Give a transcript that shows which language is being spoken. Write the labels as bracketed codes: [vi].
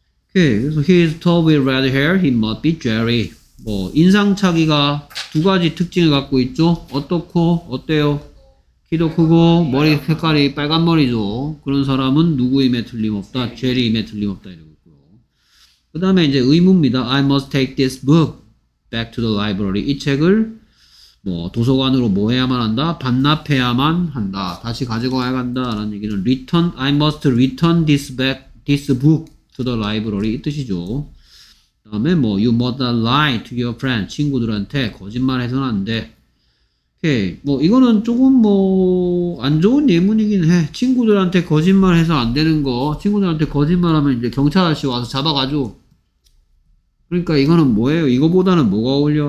[en] Okay, so he is tall with red hair, he must be Jerry. [ko] 뭐 인상착의가 두 가지 특징을 갖고 있죠. 어떻고 어때요? 키도 크고 머리 색깔이 빨간 머리죠. 그런 사람은 누구임에 틀림없다. 제리임에 틀림없다 이러고 있고요. 그 다음에 이제 의무입니다. [en] I must take this book back to the library. [ko] 이 책을 뭐 도서관으로 뭐 해야만 한다? 반납해야만 한다. 다시 가지고 와야 한다. 라는 얘기는 return. [en] I must return this back this book to the library. [ko] 이 뜻이죠. 그 다음에 뭐 [en] you must not lie to your friend. [ko] 친구들한테 거짓말해서는 안 돼. 뭐 이거는 조금 뭐 안 좋은 예문이긴 해. 친구들한테 거짓말해서 안 되는 거. 친구들한테 거짓말하면 이제 경찰 아저씨 와서 잡아가죠. 그러니까 이거는 뭐예요? 이거보다는 뭐가 어울려?